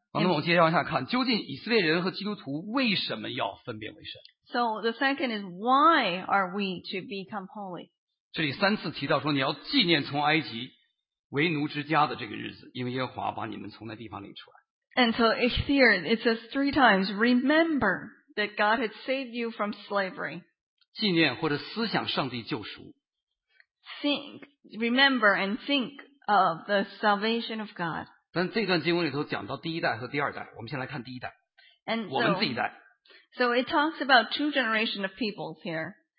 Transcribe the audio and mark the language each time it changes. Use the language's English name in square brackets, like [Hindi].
[Chinese] 那么我接下来看，究竟以色列人和基督徒为什么要分别为圣？ [English] So the second is why are we to become holy? [Chinese] 这里三次提到说你要纪念从埃及为奴之家的这个日子，因为耶和华把你们从那地方领出来。 [English] And so here it says three times, remember that God had saved you from slavery. [Chinese] 纪念或者思想上帝救赎。 [English] Think, remember and think of the salvation of God. [Chinese] 但这段经文里头讲到第一代和第二代，我们先来看第一代。 [English] And so, [Chinese] 我们自己代。 [English] So it talks about two generations of peoples here.